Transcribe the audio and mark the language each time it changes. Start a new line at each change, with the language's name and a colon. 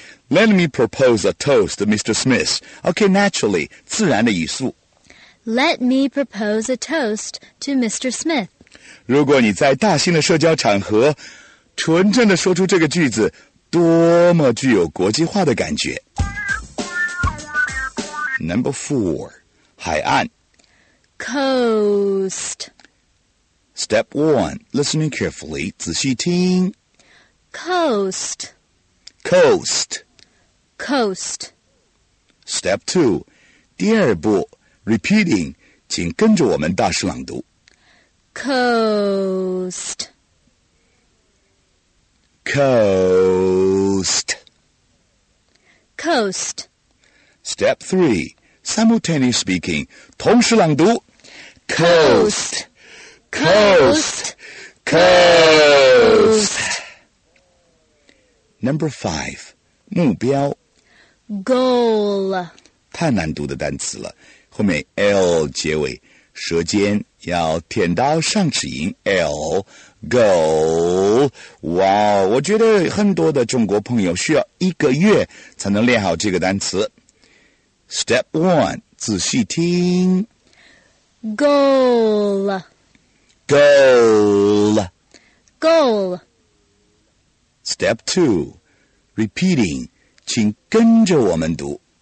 English: Let me propose a toast to Mr. Smith. Okay, naturally,
Chinese: 自然的语速。
English: Let me propose a toast to Mr. Smith.
Chinese: 如果你在大型的社交场合纯正的说出这个句子，多么具有国际化的感觉。
English: Number four,
Chinese: 海岸。
English: Coast. Step one, listening carefully,
Chinese: 仔细听。
English: Coast. Coast. Coast. Step two,
Chinese: 第二步
English: repeating,
Chinese: 请跟着我们大声朗读。
English: Coast. Coast. Coast. Step three, simultaneous speaking,
Chinese: 同时朗读。
English: Coast. Coast. Coast. Number five,
Chinese: 目标。
English: Goal.
Chinese: 太难读的单词了，后面 L 结尾，舌尖要舔到上齿龈 L, goal. 哇，我觉得很多的中国朋友需要一个月才能练好这个单词。
English: Step one,
Chinese: 仔细听。
English: Goal. Goal. Goal. Step two, repeating.
Chinese: 请跟着我们读。